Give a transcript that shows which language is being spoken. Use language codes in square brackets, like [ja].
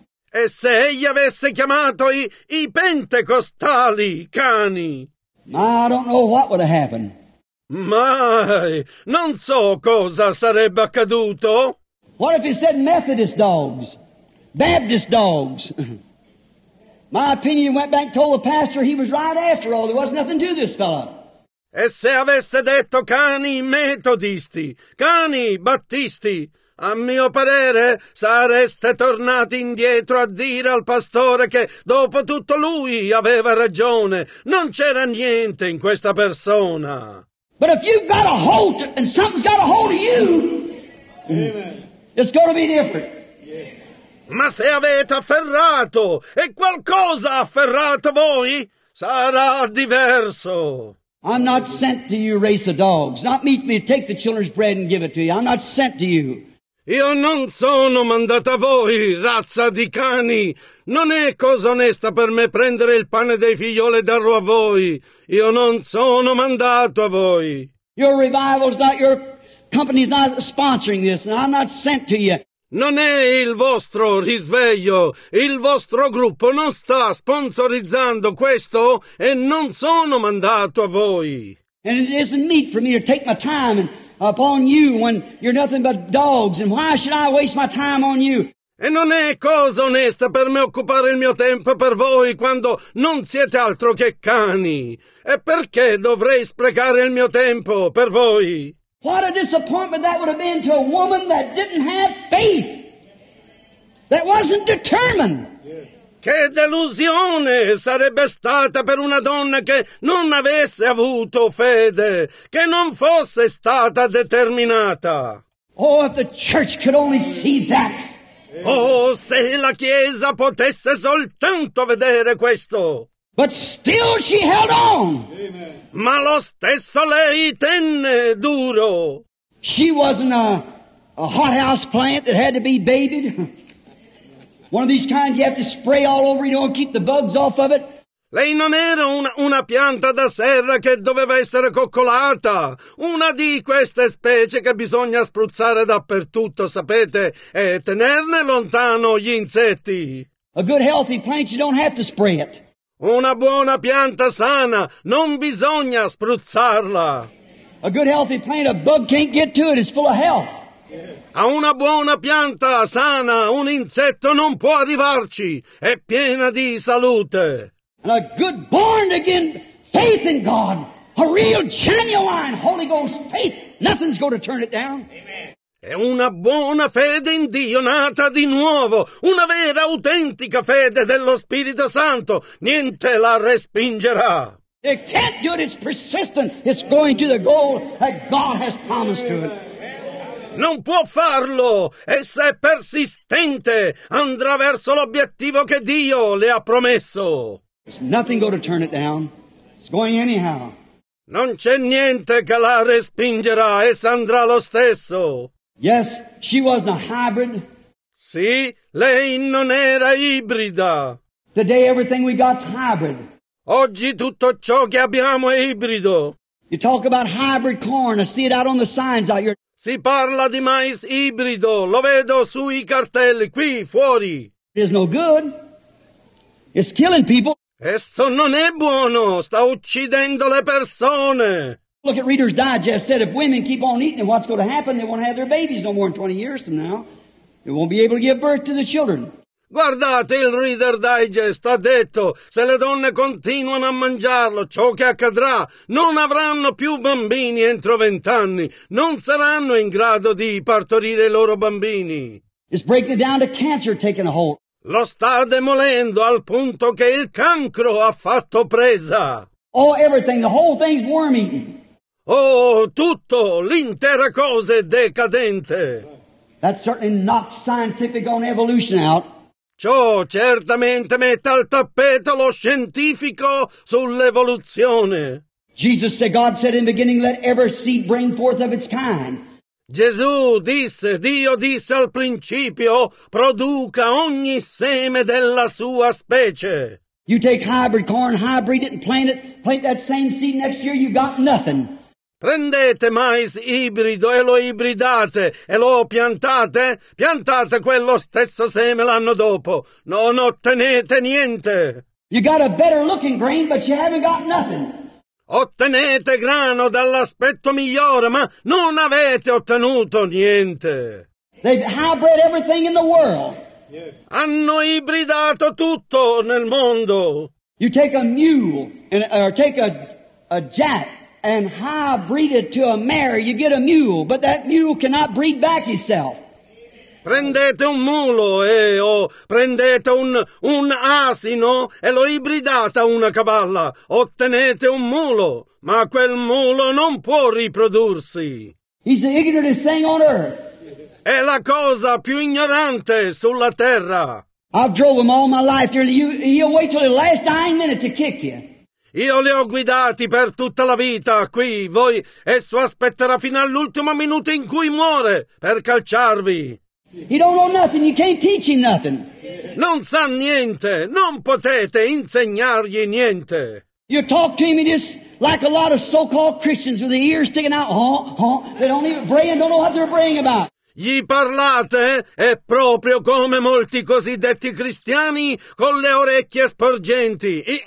[it] E se egli avesse chiamato i pentecostali cani? [en] Ma, I don't know what would have happened. [it] Mai, non so cosa sarebbe accaduto. [en] What if he said Methodist dogs, Baptist dogs? My opinion went back and told the pastor he was right after all. There was nothing to this fellow. [it] E se avesse detto cani metodisti, cani battisti, a mio parere sareste tornati indietro a dire al pastore che dopo tutto lui aveva ragione. Non c'era niente in questa persona. [en] But if you've got a hold to, and something's got a hold of you, Amen. It's going to be different. [it] Ma se avete afferrato e qualcosa ha afferrato voi, sarà diverso. [en] I'm not sent to you race the dogs. Not meet me to take the children's bread and give it to you. I'm not sent to you. [it] Io non sono mandato a voi, razza di cani. Non è cosa onesta per me prendere il pane dei figlioli e darlo a voi. Io non sono mandato a voi. [en] Your revival's not your company's not sponsoring this, and I'm not sent to you. [it] Non è il vostro risveglio, il vostro gruppo non sta sponsorizzando questo e non sono mandato a voi. [en] And it isn't meet for me to take my time upon you when you're nothing but dogs, and why should I waste my time on you? [it] E non è cosa onesta per me occupare il mio tempo per voi quando non siete altro che cani. E perché dovrei sprecare il mio tempo per voi? [en] What a disappointment that would have been to a woman that didn't have faith, that wasn't determined. [it] Che delusione sarebbe stata per una donna che non avesse avuto fede, che non fosse stata determinata. [en] Oh, if the church could only see that. [it] Oh, se la Chiesa potesse soltanto vedere questo. [en] But still she held on. [it] Ma lo stesso lei tenne duro. [en] She wasn't a hothouse plant that had to be babied. One of these kinds you have to spray all over, you know, and keep the bugs off of it. [it] Lei non era una pianta da serra che doveva essere coccolata. Una di queste specie che bisogna spruzzare dappertutto, sapete, e tenerne lontano gli insetti. [en] A good healthy plant, you don't have to spray it. [it] Una buona pianta sana, non bisogna spruzzarla. [en] A good healthy plant, a bug can't get to it, it's full of health. [it] A una buona pianta sana, un insetto non può arrivarci, è piena di salute. [en] And a good born again faith in God, a real genuine Holy Ghost faith, nothing's going to turn it down. [it] Amen. E una buona fede in Dio nata di nuovo, una vera autentica fede dello Spirito Santo, niente la respingerà. [en] It can't do it, it's persistent, it's going to the goal that God has promised to it. [it] Non può farlo, essa è persistente, andrà verso l'obiettivo che Dio le ha promesso. [en] There's nothing going to turn it down. It's going anyhow. [it] Non c'è niente che la respingerà, essa andrà lo stesso. [en] Yes, she was the hybrid. [it] Sì, lei non era ibrida. [en] Today everything we got's hybrid. [it] Oggi tutto ciò che abbiamo è ibrido. [en] You talk about hybrid corn, I see it out on the signs out here. [it] Si parla di mais ibrido, lo vedo sui cartelli qui fuori. [en] It's no good. It's killing people. [it] Esso non è buono, sta uccidendo le persone. [en] Look at Reader's Digest said if women keep on eating, what's going to happen? They won't have their babies no more in 20 years from now. They won't be able to give birth to the children. [it] Guardate, il Reader Digest ha detto, se le donne continuano a mangiarlo, ciò che accadrà, non avranno più bambini entro 20 anni, non saranno in grado di partorire i loro bambini. [en] It's breaking down to cancer taking a hold. [it] Lo sta demolendo al punto che il cancro ha fatto presa. [en] Oh, everything, the whole thing's worm eaten. [it] Oh, tutto, l'intera cosa è decadente. [en] That certainly knocks scientific on evolution out. [it] Ciò certamente mette al tappeto lo scientifico sull'evoluzione. [en] Jesus said, God said in the beginning, let every seed bring forth of its kind. [it] Gesù disse, Dio disse al principio, produca ogni seme della sua specie. [en] You take hybrid corn, hybrid it and plant it, plant that same seed next year, you got nothing. [it] Prendete mais ibrido e lo ibridate e lo piantate, piantate quello stesso seme l'anno dopo. Non ottenete niente. [en] You got a better looking grain, but you haven't got nothing. [it] Ottenete grano dall'aspetto migliore, ma non avete ottenuto niente. [en] They've hybrid everything in the world. Yes. [it] Hanno ibridato tutto nel mondo. [en] You take a mule, or take a jack. And hybrid it to a mare, you get a mule, but that mule cannot breed back itself. [it] Prendete un mulo o prendete un asino e lo ibridate a una cavalla. Ottenete un mulo, ma quel mulo non può riprodursi. [en] He's the ignorantest thing on earth. [it] È la cosa più ignorante sulla terra. [en] I've drove him all my life. He'll wait till the last dying minute to kick you. [it] Io li ho guidati per tutta la vita qui, voi, esso aspetterà fino all'ultimo minuto in cui muore per calciarvi. [en] He don't know nothing, you can't teach him nothing. [it] Non sa niente, non potete insegnargli niente. [en] You talk to him just like a lot of so-called Christians with the ears sticking out, they don't even pray and don't know what they're praying about. [it] Gli parlate è proprio come molti cosiddetti cristiani con le orecchie sporgenti.